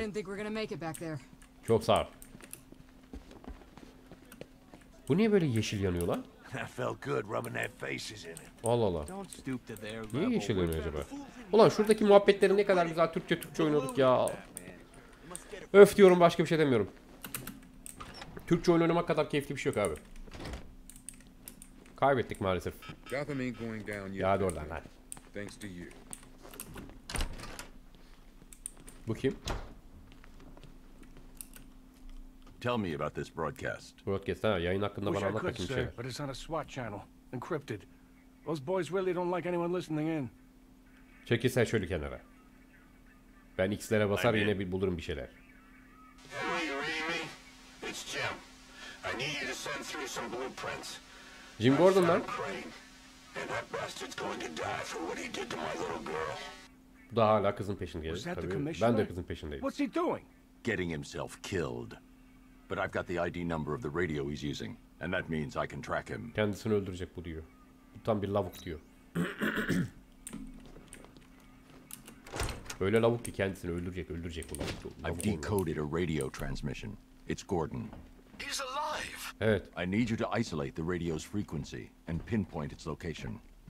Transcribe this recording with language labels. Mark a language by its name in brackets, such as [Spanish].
[English] I didn't think we're gonna make it back there. [Turkish] Çok sağ ol. Bu niye böyle yeşil yanıyor lan? [English] That felt good rubbing their faces in it. [Turkish] Allah Allah. Niye yeşil yanıyor acaba? Ulan şuradaki muhabbetleri ne kadar güzel Türkçe Türkçe oynadık ya. Öf diyorum, başka bir şey demiyorum. Türkçe oyun oynamak kadar keyifli bir şey yok abi. Kaybettik maalesef. [English] Gotham ain't going down yet. [Turkish] Ya hadi oradan lan. [English] Thanks to you. [Turkish] Bu kim? [English] Tell me about this broadcast. [Turkish] Broadcast ha, yayın hakkında bana anlat bakayım şey. [English] But it's on a SWAT channel, encrypted. Those boys really don't like anyone listening in. [Turkish] Çekil sen şöyle kenara. Ben X'lere basar yine bir bulurum bir şeyler. [English] It's Jim. I need you to send through some blueprints. [Turkish] Jim Gordon lan. [English] And that bastard's going to die for what he did to my little girl. [Turkish] Bu da hala kızın peşindeydi tabii. Ben de kızın peşindeydim. [English] What's he doing? Getting himself killed. But I've got the ID number of the radio he's using, and that means I can track him. [Turkish] Kendisini öldürecek bu diyor. Bu tam bir lavuk diyor. Öyle lavuk ki kendisini öldürecek, öldürecek bu lavuk. [English] I've decoded a radio transmission. It's Gordon. He's alive. [Turkish] Evet. [English] I need you to isolate the radio's frequency and pinpoint its location.